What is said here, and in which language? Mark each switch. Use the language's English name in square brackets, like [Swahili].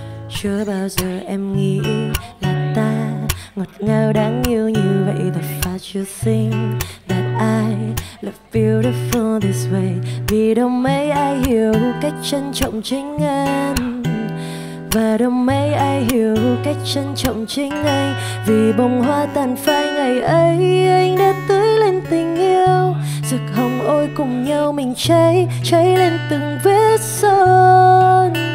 [Vietnamese] Chưa bao giờ em nghĩ là ta ngọt ngào đáng yêu như vậy. [English] The fact you think that I look beautiful this way. [Vietnamese] Vì đâu mấy ai hiểu cách trân trọng chính em. Và đâu mấy ai hiểu cách trân trọng chính anh. Vì bông hoa tàn phai ngày ấy anh đã tưới lên tình yêu. Rực hồng ôi cùng nhau mình cháy, cháy lên từng vết son.